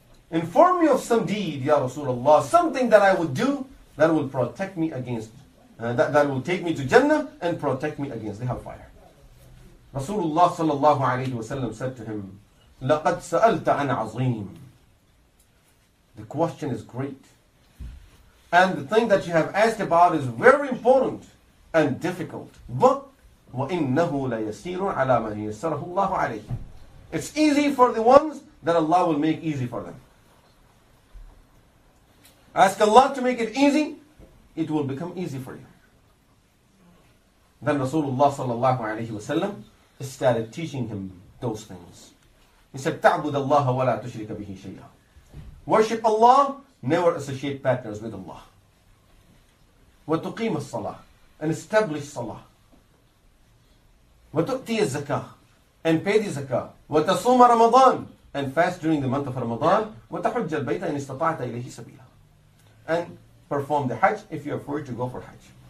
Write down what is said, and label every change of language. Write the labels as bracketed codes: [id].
[en] Inform me of some deed, Ya Rasulullah, something that I would do that will protect me against, that will take me to Jannah and protect me against the hellfire. Rasulullah sallallahu alayhi wa sallam said to him, [ar] لَقَدْ سَأَلْتَ عَنْ عَظِيمٍ. [en] The question is great. And the thing that you have asked about is very important and difficult. [ar] But وَإِنَّهُ لَيَسِيرٌ عَلَىٰ مَنْ يَسَّرَهُ اللَّهُ عَلَيْهِ. [en] It's easy for the ones that Allah will make easy for them. Ask Allah to make it easy, it will become easy for you. Then Rasulullah sallallahu alayhi wa sallam started teaching him those things. He said, [ar] تَعْبُدَ اللَّهَ وَلَا تُشْرِكَ بِهِ شَيْئًا. [en] Worship Allah, never associate partners with Allah. [ar] وَتُقِيمَ الصَّلَاةِ, [en] and establish salah. [ar] وَتُؤْتِيَ الزَّكَاةِ, [en] and pay the zakah. [ar] وَتَصُومَ رَمَضَانِ, [en] and fast during the month of Ramadan. [ar] وَتَحُجَّ الْبَيْتَ إِنِ اسْتَطَعْتَ إِلَيْهِ سَبِيلًا, [en] and perform the hajj if you afford to go for hajj.